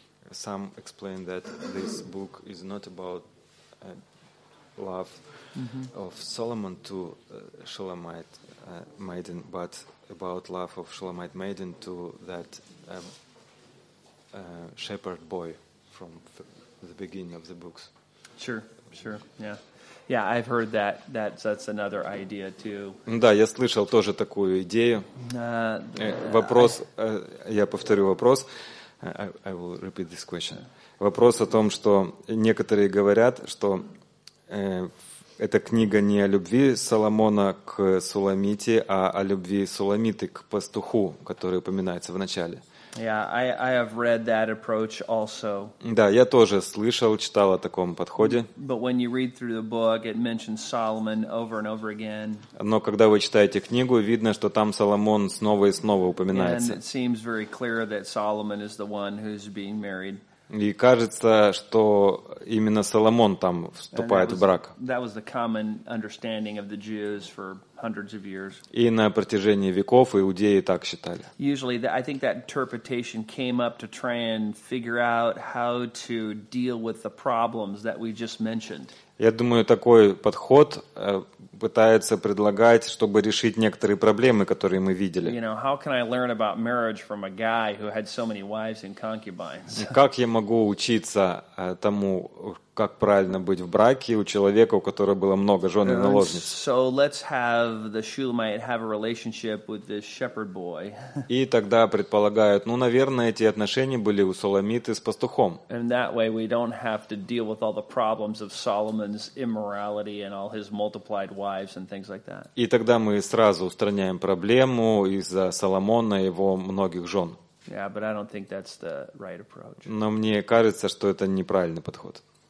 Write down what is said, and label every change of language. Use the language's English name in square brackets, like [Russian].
[English] Some explain that this book is not about love of Solomon to Shulamite maiden, but about love of Shulamite maiden to that shepherd boy from the beginning of the books. Sure, yeah. Yeah, I've heard that. That's another idea too. [Russian] Да, я слышал тоже такую идею. Вопрос, я повторю вопрос. [English] I will repeat this question. [Russian] Вопрос о том, что некоторые говорят, что эта книга не о любви Соломона к Суламите, а о любви Суламиты к пастуху, который упоминается в начале. [English] Yeah, I have read that approach also. [Russian] Да, я тоже слышал, читал о таком подходе. [English] But when you read through the book, it mentions Solomon over and over again. [Russian] Но когда вы читаете книгу, видно, что там Соломон снова и снова упоминается. [English] And it seems very clear that Solomon is the one who's being married. [Russian] И кажется, что именно Соломон там вступает в брак. [English] That was the common understanding of the Jews for hundreds of years. [Russian] И на протяжении веков иудеи так считали. [English] Usually, I think that interpretation came up to try and figure out how to deal with the problems that we just mentioned. [Russian] Я думаю, такой подход пытается предлагать, чтобы решить некоторые проблемы, которые мы видели. [English] You know, how can I learn about marriage from a guy who had so many wives and concubines? [Russian] Как я могу учиться тому, как правильно быть в браке у человека, у которого было много жен и наложниц? [English] So let's have of the Shulamite have a relationship with this shepherd boy. [Russian] И тогда предполагают, ну, наверное, эти отношения были у Соломиты с пастухом. [English] And that way we don't have to deal with all the problems of Solomon's immorality and all his multiplied wives and things like that. [Russian] И тогда мы сразу устраняем проблему из-за Соломона и его многих жен. [English] Yeah, but I don't think that's the right approach. [Russian] Но мне кажется, что это неправильный подход.